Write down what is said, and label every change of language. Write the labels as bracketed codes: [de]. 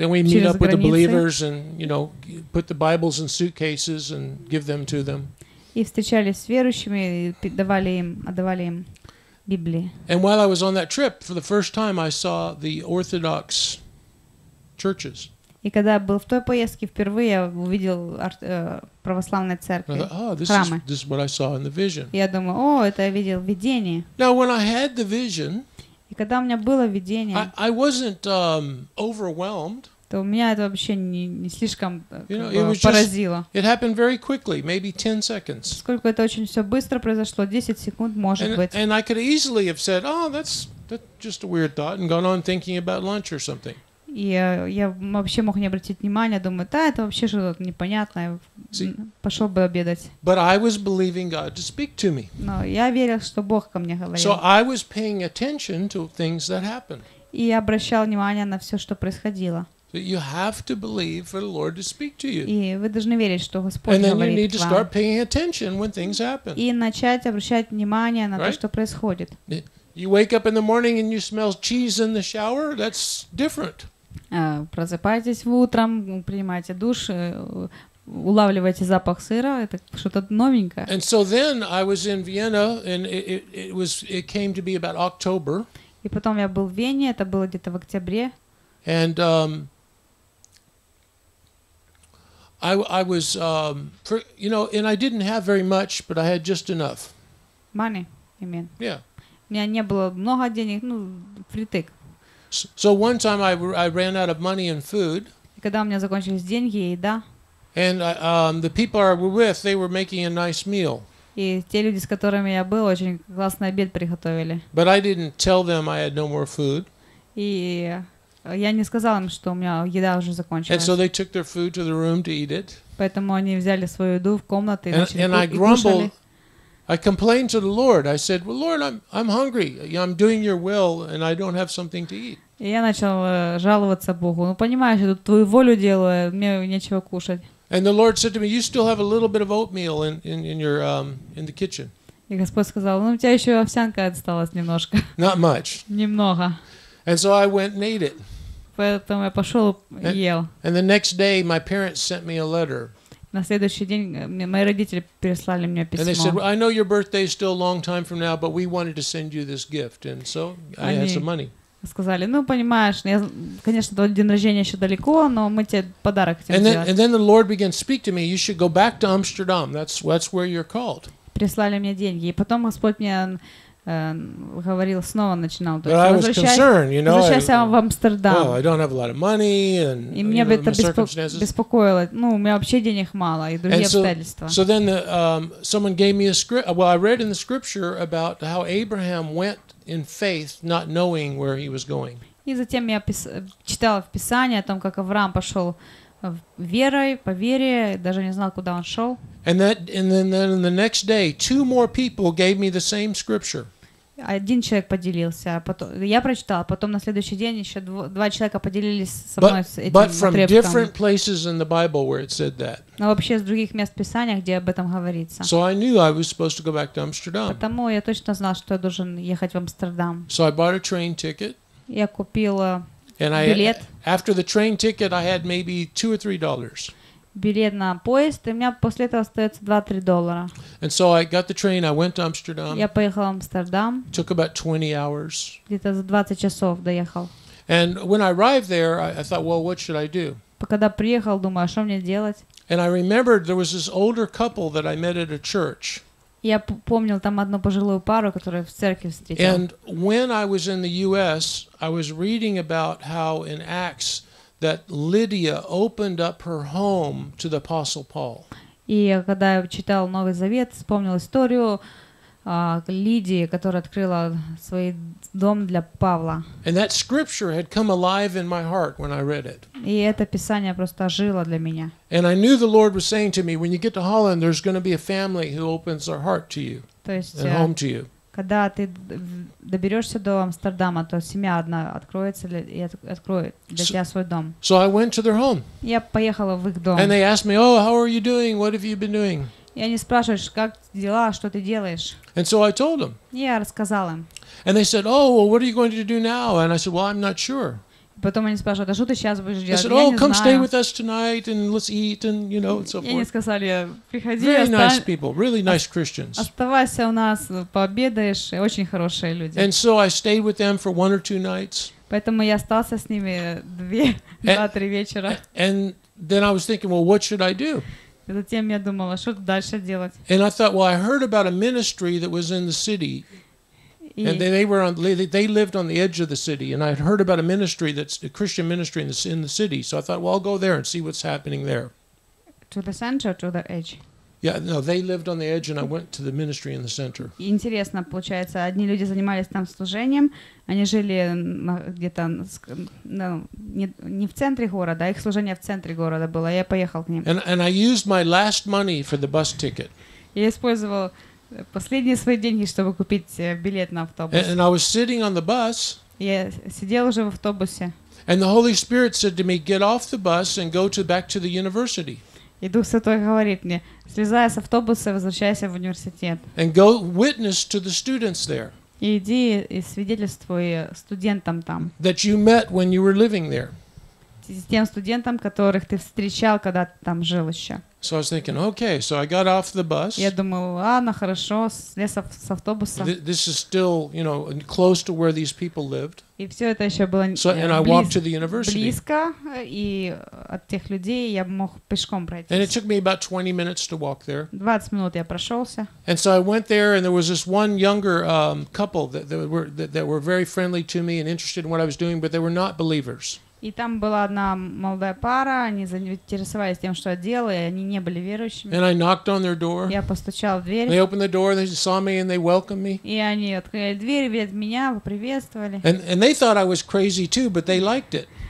[en] Then we meet up with the believers and, you know, put the Bibles in suitcases and give them to them. [ru] И встречались с верующими, отдавали им Библии. [en] And while I was on that trip, for the first time I saw the Orthodox churches. [ru] И когда я был в той поездке, впервые я увидел православные церкви, [en] I thought, oh, [ru] храмы. [en] This is what I saw in the vision. [ru] И я думаю, о, это я видел в видении. [en] Now, when I had the vision, [ru] и когда у меня было видение, [en] I wasn't overwhelmed. [ru] То меня это вообще не слишком поразило. [en] It happened very quickly, maybe 10 seconds. [ru] Сколько это очень все быстро произошло, 10 секунд, может быть. [en] And I could easily have said, oh, that's just a weird thought, and gone on thinking about lunch or something. [ru] И я вообще мог не обратить внимания, думаю, да, это вообще что-то непонятное, пошел бы обедать. [en] But I was believing God to speak to me. [ru] Но я верил, что Бог ко мне говорил. [en] So I was paying attention to things that happened. [ru] И я обращал внимание на все, что происходило. [en] But you have to believe for the Lord to speak to you. [ru] И вы должны верить, что Господь говорит вам. [en] And then you need to start paying attention when things happen. [ru] И начать обращать внимание на то, что происходит. [en] You wake up in the morning and you smell cheese in the shower. That's different. [ru] Просыпаетесь утром, принимаете душ, улавливаете запах сыра. Это что-то новенькое. [en] And so then I was in Vienna, and it came to be about October. [ru] И потом я был в Вене. Это было где-то в октябре. [en] And I was, you know, and I didn't have very much, but I had just enough. Money, you mean? Yeah. [ru] У меня не было много денег, ну, впритык. [en] So one time I ran out of money and food. [ru] Когда у меня закончились деньги и еда. [en] And the people I were with, they were making a nice meal. [ru] И те люди, с которыми я был, очень классный обед приготовили. [en] But I didn't tell them I had no more food. [ru] И я не сказал им, что у меня еда уже закончилась. [en] And so they took their food to the room to eat it. [ru] Поэтому они взяли свою еду в комнату и начали кушать. [en] And I grumbled. I complained to the Lord. I said, "Well, Lord, I'm hungry. I'm doing Your will, and I don't have something to eat." [ru] И я начал жаловаться Богу. Ну понимаешь, я тут твою волю делаю, мне нечего кушать. [en] And the Lord said to me, "You still have a little bit of oatmeal in your in the kitchen." [ru] И Господь сказал: "Ну у тебя еще овсянка осталась немножко." [en] Not much. [ru] Немного. [en] And so I went and ate it. [ru] Поэтому я пошел ел. [en] And the next day, my parents sent me a letter. [ru] На следующий день мои родители переслали мне письмо. [en] And they said, "I know your birthday is still a long time from now, but we wanted to send you this gift, and so I had some money." [ru] Сказали, ну понимаешь, я, конечно, твой день рождения еще далеко, но мы тебе подарок хотим сделать. [en] And then the Lord began to speak to me. You should go back to Amsterdam. That's where you're called. [ru] Прислали мне деньги, и потом Господь мне говорил, снова начинал. [en] But I was concerned, you know. [ru] Возвращайся в Амстердам. [en] Well, I don't have a lot of money, and [ru] и меня это беспокоило. Ну, у меня вообще денег мало и другие обстоятельства. [en] So then someone gave me a script. Well, I read in the scripture about how Abraham went in faith, not knowing where he was going. [ru] И затем я читала в Писании о том, как Авраам пошел верой, по вере, даже не знал, куда он шел. [en] And then the next day, two more people gave me the same scripture. [ru] Один человек поделился, потом я прочитала, потом на следующий день еще два человека поделились со мной этим отрывком. [en] But from different places in the Bible where it said that. [ru] Но вообще с других мест Писания, где об этом говорится. [en] So I knew I was supposed to go back to Amsterdam. [ru] Потому я точно знал, что я должен ехать в Амстердам. [en] So I bought a train ticket. [ru] Я купила билет. [en] After the train ticket, I had maybe $2 or $3. [ru] Билет на поезд, и у меня после этого остается $2-3. [en] And so I got the train, I went to Amsterdam. [ru] Я поехал в Амстердам. [en] Took about 20 hours. [ru] Где-то за 20 часов доехал. [en] And when I arrived there, I thought, well, what should I do? [ru] Когда приехал, думаю, а что мне делать? [en] And I remembered there was this older couple that I met at a church. [ru] Я помнил там одну пожилую пару, которую в церкви встретил. [en] And when I was in the U.S., I was reading about how in Acts that Lydia opened up her home to the Apostle Paul. [ru] И когда я читал Новый Завет, вспомнил историю Лидии, которая открыла свой дом для Павла. [en] And that scripture had come alive in my heart when I read it. [ru] И это писание просто ожило для меня. [en] And I knew the Lord was saying to me, when you get to Holland, there's going to be a family who opens their heart to you. [ru] То есть, [en] and home to you. [ru] Когда ты доберешься до Амстердама, то семья одна откроется и откроет для тебя свой дом. [en] So I went to their home. [ru] Я поехала в их дом. [en] And they asked me, "Oh, how are you doing? What have you been doing?" [ru] И они спрашивают, как дела, что ты делаешь. [en] And so I told them. [ru] Я рассказал им. [en] And they said, "Oh, well, what are you going to do now?" And I said, "Well, I'm not sure." [ru] Потом они спрашивают, а что ты сейчас будешь делать? [en] They said, "Oh, come stay with us tonight and let's eat and you know and so forth." [ru] И они сказали, приходи. [en] Really nice people, really nice Christians. [ru] Оставайся у нас, пообедаешь, очень хорошие люди. [en] And so I stayed with them for one or two nights. [ru] Поэтому я остался с ними два-три вечера. [en] And then I was thinking, well, what should I do? [ru] И затем я думала, что дальше делать? [en] And I thought, well, I heard about a ministry that was in the city. And they lived on the edge of the city, and I had heard about a ministry that's a Christian ministry in the city. So I thought, well, I'll go there and see what's happening there. To the center, to the edge. Yeah, no, they lived on the edge, and I went to the ministry in the center. [ru] Интересно, получается, одни люди занимались там служением, они жили где-то, ну, не в центре города, их служение в центре города было. Я поехал к ним. [en] And I used my last money for the bus ticket. [ru] Я использовал последние свои деньги, чтобы купить билет на автобус. [en] And I was sitting on the bus. [ru] Я сидел уже в автобусе. [en] And the Holy Spirit said to me, "Get off the bus and go to back to the university." [ru] И Дух Святой говорит мне, слезай с автобуса, возвращайся в университет. [en] And go witness to the students there. [ru] И иди и свидетельствуй студентам там. [en] That you met when you were living there. [ru] Тем студентам, которых ты встречал, когда ты там жил еще. [en] So I was thinking, okay, so I got off the bus. [ru] Я думал, ладно, хорошо, слез с автобуса. [en] This is still, you know, close to where these people lived. [ru] И все это еще было [en] and I walked to the university. [ru] Близко и от тех людей я мог пешком пройти. [en] And it took me about 20 minutes to walk there. [ru] 20 минут я прошелся. [en] And so I went there, and there was this one younger couple that were very friendly to me and interested in what I was doing, but they were not believers. [ru] И там была одна молодая пара, они заинтересовались тем, что я делаю, и они не были верующими. [en] And I knocked on their door. [ru] Я постучал в дверь. [en] They opened the door, they saw me, and they welcomed me. [ru] И они открыли дверь, видят меня, поприветствовали. [en] And they thought I was crazy too, but they liked it.